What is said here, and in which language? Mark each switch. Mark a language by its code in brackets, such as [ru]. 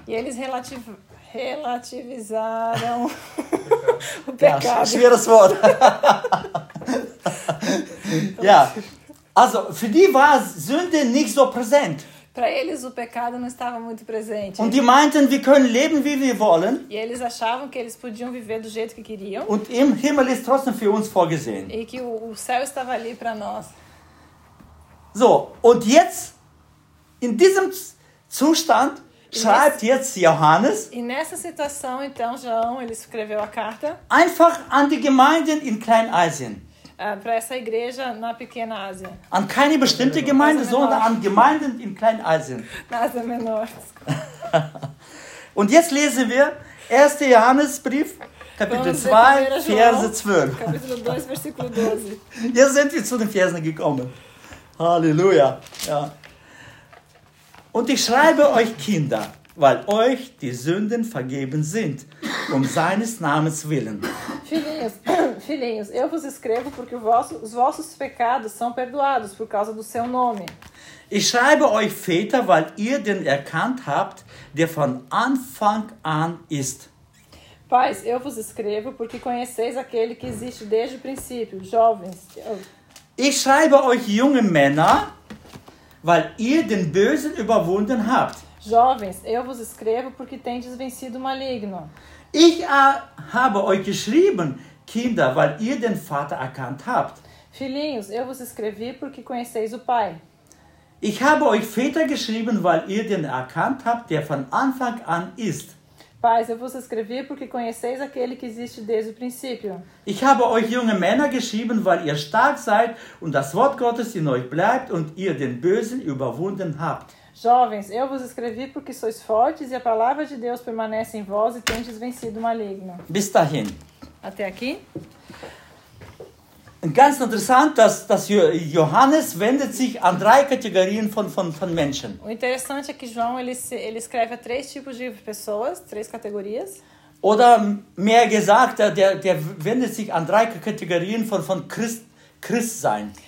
[pt] E eles relativizaram o pecado. [de] Ja, schweres Wort. Ja. Also, für die war Sünde nicht so präsent. [pt] Para eles o pecado não estava muito presente. [de] Und die meinten, wir können leben, wie wir wollen. [pt] E eles achavam que eles podiam viver do jeito que queriam. [de] Und im Himmel ist trotzdem für uns vorgesehen. [pt] E que o céu estava ali para nós. [de] So, und jetzt in diesem Zustand schreibt jetzt Johannes. [pt] E nessa situação, então, João, ele escreveu a carta. [de] Einfach an die Gemeinden in Kleinasien. [pt] Para essa igreja na pequena Ásia. [de] An keine bestimmte Gemeinde, sondern an Gemeinden in Kleinasien. [pt] Na Ásia menor. [de] Und jetzt lesen wir 1. Johannesbrief, Kapitel 2, Verse 12. [pt] Kapitel 2, versículo 12. [de] Jetzt sind wir zu den Versen gekommen. Halleluja. Ja. Und ich schreibe euch Kinder, weil euch die Sünden vergeben sind, um seines Namens willen. [pt] Filhinhos, eu vos escrevo porque os vossos pecados são perdoados por causa do seu nome. [de] Ich schreibe euch Väter, weil ihr den erkannt habt, der von Anfang an ist. [pt] Pais, eu vos escrevo porque conheceis aquele que existe desde o princípio. Jovens, [de] ich schreibe euch junge Männer, weil ihr den Bösen überwunden habt. [pt] Jovens, eu vos escrevo porque tendes vencido o maligno. [de] Ich habe euch geschrieben, Kinder, weil ihr den Vater erkannt habt. [pt] Filhinhos, eu vos escrevi porque conheceis o Pai. [de] Ich habe euch Väter geschrieben, weil ihr den erkannt habt, der von Anfang an ist. [pt] Pais, eu vos escrevi porque conheceis aquele que existe desde o princípio. [de] Ich habe euch junge Männer geschrieben, weil ihr stark seid und das Wort Gottes in euch bleibt und ihr den Bösen überwunden habt. [pt] Jovens, eu vos escrevi porque sois fortes e a palavra de Deus permanece em vós e tendes vencido o maligno. [de] Bis dahin. [pt] Até aqui. [de] Ganz interessant, dass Johannes wendet sich an drei Kategorien von Menschen. [pt] O interessante é que João ele escreve a três tipos de pessoas, três categorias. [de] Oder mehr gesagt, der wendet sich an drei Kategorien von Christsein.